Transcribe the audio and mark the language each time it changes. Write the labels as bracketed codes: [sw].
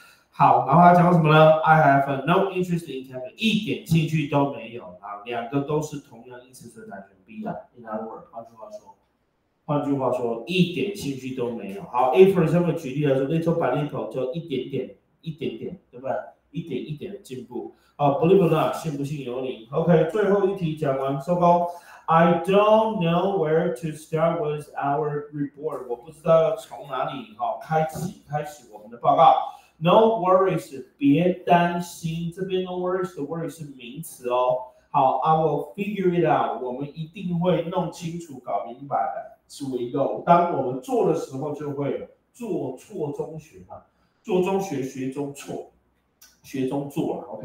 [zh] 好，然后他讲什么呢 ？ [en] I have no interest in camping， [zh] 一点兴趣都没有啊。两个都是同样意思，所以感觉 B 的。 [en] In other words， [zh] 换句话说，换句话说，一点兴趣都没有。好 ， [en] if for example [zh] 举例来说 ， [en] little by little [zh] 就一点点，一点点，对不对？一点一点的进步。啊 ， [en] believe or not， [zh] 信不信由你。 OK， 最后一题讲完，收工。 [en] I don't know where to start with our report。 [zh] 我不知道要从哪里哈开始我们的报告。 [en] No worries， [zh] 别担心。这边 no worries 的 worry 是名词哦。 [en] 好 ，I will figure it out。 [zh] 我们一定会弄清楚、搞明白的。注意到，当我们做的时候，就会做错中学嘛，做中学，学中错，学中做了。